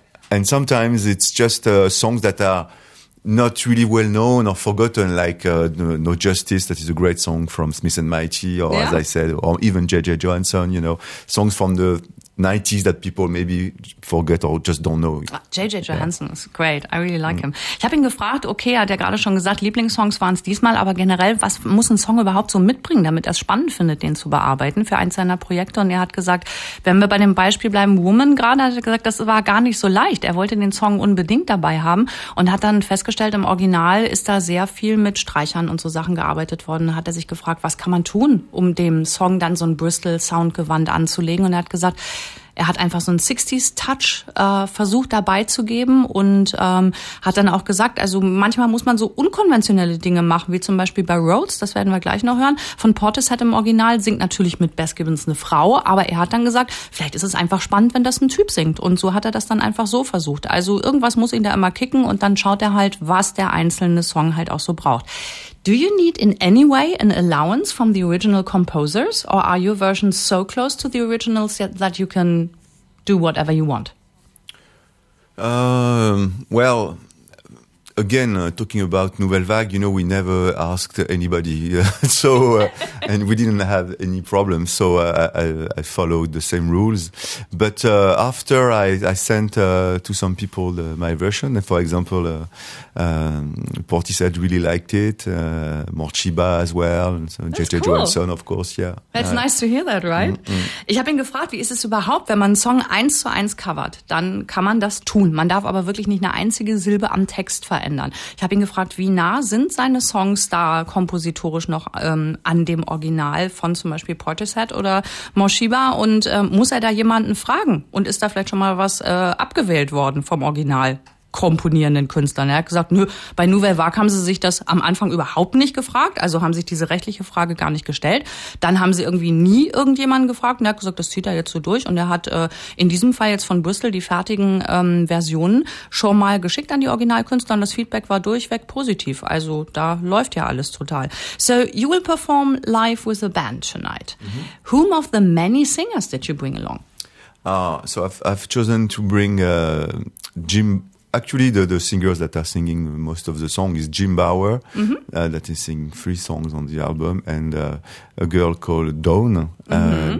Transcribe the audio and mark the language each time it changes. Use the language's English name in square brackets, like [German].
[English] And sometimes it's just songs that are not really well known or forgotten, like No Justice, that is a great song from Smith and Mighty, or as I said, or even J.J. Johansson, you know, songs from the 90s that people maybe forget or just don't know. J.J. Johansson is great. I really like him. [German] Ich habe ihn gefragt, okay, hat er gerade schon gesagt, Lieblingssongs waren es diesmal, aber generell, was muss ein Song überhaupt so mitbringen, damit er es spannend findet, den zu bearbeiten für eins seiner Projekte? Und er hat gesagt, wenn wir bei dem Beispiel bleiben, Woman gerade, hat er gesagt, das war gar nicht so leicht. Er wollte den Song unbedingt dabei haben und hat dann festgestellt, im Original ist da sehr viel mit Streichern und so Sachen gearbeitet worden. Hat er sich gefragt, was kann man tun, um dem Song dann so ein Bristol-Soundgewand anzulegen? Und er hat gesagt, er hat einfach so einen 60s-Touch versucht dabei zu geben und hat dann auch gesagt, also manchmal muss man so unkonventionelle Dinge machen, wie zum Beispiel bei Rhodes, das werden wir gleich noch hören, von Portishead im Original, singt natürlich mit Bess Gibbons eine Frau, aber er hat dann gesagt, vielleicht ist es einfach spannend, wenn das ein Typ singt. Und so hat er das dann einfach so versucht. Also irgendwas muss ihn da immer kicken und dann schaut er halt, was der einzelne Song halt auch so braucht. [English] Do you need in any way an allowance from the original composers, or are your versions so close to the originals that you can do whatever you want? Well, again, talking about Nouvelle Vague, you know, we never asked anybody. and we didn't have any problems. So I followed the same rules. But after I sent to some people my version, for example, Portishead really liked it, Morcheeba as well, and so J.J. Cool. Johnson, of course, yeah. That's nice to hear that, right? Mm-hmm. [German] Ich habe ihn gefragt, wie ist es überhaupt, wenn man einen Song 1:1 covert, dann kann man das tun. Man darf aber wirklich nicht eine einzige Silbe am Text verändern. Ich habe ihn gefragt, wie nah sind seine Songs da kompositorisch noch an dem Original von zum Beispiel Portishead oder Morcheeba und muss er da jemanden fragen und ist da vielleicht schon mal was abgewählt worden vom Original komponierenden Künstlern? Er hat gesagt, nö, bei Nouvelle Vague haben sie sich das am Anfang überhaupt nicht gefragt, also haben sich diese rechtliche Frage gar nicht gestellt. Dann haben sie irgendwie nie irgendjemanden gefragt und er hat gesagt, das zieht er jetzt so durch und er hat in diesem Fall jetzt von Bristol die fertigen Versionen schon mal geschickt an die Originalkünstler und das Feedback war durchweg positiv. Also da läuft ja alles total. [English] So, you will perform live with a band tonight. Mm-hmm. Whom of the many singers did you bring along? So I've chosen to bring Jim. Actually, the singers that are singing most of the song is Jim Bauer, mm-hmm. That is singing 3 songs on the album, and a girl called Dawn, mm-hmm.